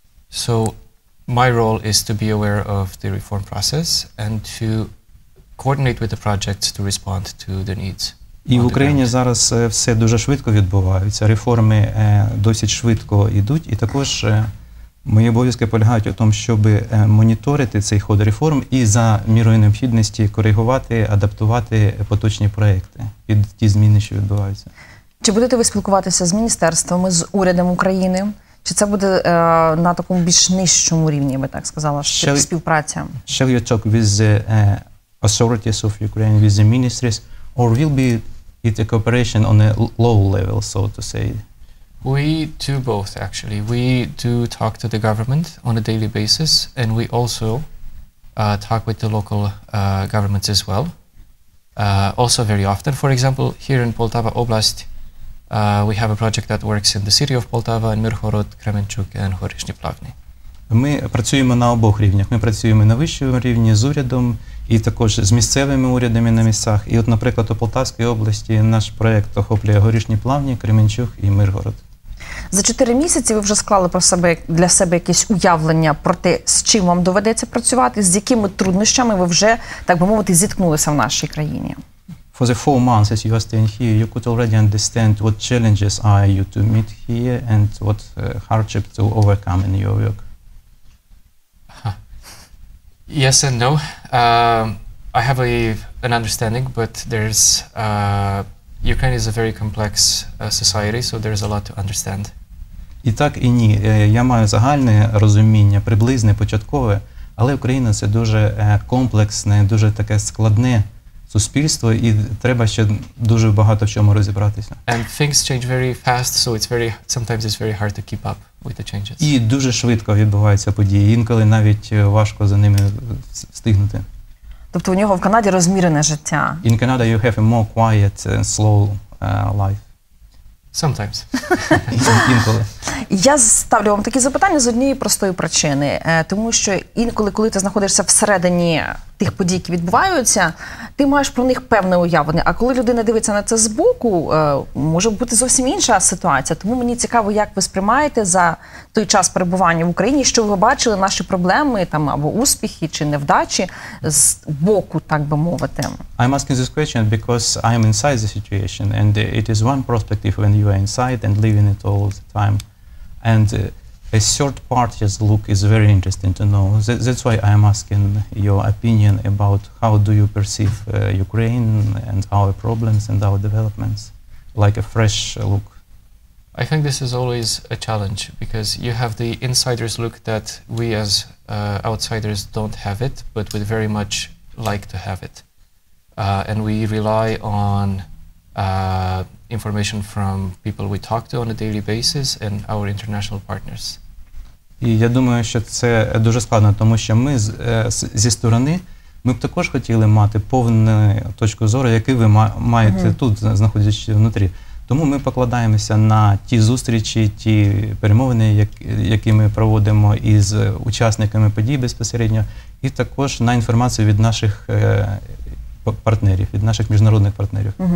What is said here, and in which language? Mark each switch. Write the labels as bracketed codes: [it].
[en] So my role is to be aware of the reform process and to coordinate with the projects to respond to the needs. [uk] І в Україні зараз все дуже швидко відбувається. Реформи досить швидко йдуть. І також мої обов'язки полягають у тому, щоб моніторити цей ход реформ і за мірою необхідності коригувати, адаптувати поточні проекти під ті зміни, що відбуваються. Чи будете ви спілкуватися з міністерствами, з урядом України? Чи це буде на такому більш нижчому рівні, я би так сказала, співпраця? [en] Shall you talk with the authorities of Ukraine, with the ministries, or will be it a cooperation on a low level, so to say? We do both, actually. We do talk to the government on a daily basis, and we also talk with the local governments as well, also very often. For example, here in Poltava Oblast, we have a project that works in the city of Poltava, in Mirhorod, Kremenchuk, and Horizhny Plavny. [uk] Ми працюємо на обох рівнях. Ми працюємо на вищому рівні з урядом і також з місцевими урядами на місцях. І от, наприклад, у Полтавській області наш проєкт охоплює Горішні Плавні, Кременчуг і Миргород. За 4 місяці ви вже склали про себе, для себе якесь уявлення про те, з чим вам доведеться працювати, з якими труднощами ви вже, так би мовити, зіткнулися в нашій країні? [en] For the 4 months as you are staying here, you could already understand what challenges are you to meet here and what hardship to overcome in your work. Yes and no. I have an understanding, but there's Ukraine is a very complex society, so there's a lot to understand. [uk] І так, і ні. Я маю загальне розуміння, приблизне, початкове, але Україна це дуже комплексне, дуже таке складне суспільство, і треба ще дуже багато в чому розібратися. [en] And things change very fast, so sometimes it's very hard to keep up with the changes. [uk] І дуже швидко відбуваються події, інколи навіть важко за ними встигнути. Тобто у нього в Канаді розмірене життя. [en] In Canada you have a more quiet and slow life. Sometimes. [uk] Інколи. Я ставлю вам такі запитання з однієї простої причини. Тому що інколи, коли ти знаходишся всередині тих подій, які відбуваються, ти маєш про них певне уявлення. А коли людина дивиться на це збоку, може бути зовсім інша ситуація. Тому мені цікаво, як ви сприймаєте за той час перебування в Україні, що ви бачили наші проблеми, там, або успіхи, чи невдачі з боку, так би мовити. [en] I'm asking this question because I'm inside the situation and it is one perspective when you are inside and living it all the time. And a third party's look is very interesting to know. That's why I am asking your opinion about how do you perceive Ukraine and our problems and our developments, like a fresh look. I think this is always a challenge because you have the insider's look that we as outsiders don't have it, but we'd very much like to have it. And we rely on information from people we talk to on a daily basis and our international partners. [uk] І я думаю, що це дуже складно, тому що ми зі сторони, ми б також хотіли мати повну точку зору, яку ви маєте тут, знаходячись внутрі. Тому ми покладаємося на ті зустрічі, ті перемовини, які ми проводимо із учасниками подій безпосередньо, і також на інформацію від наших партнерів, від наших міжнародних партнерів.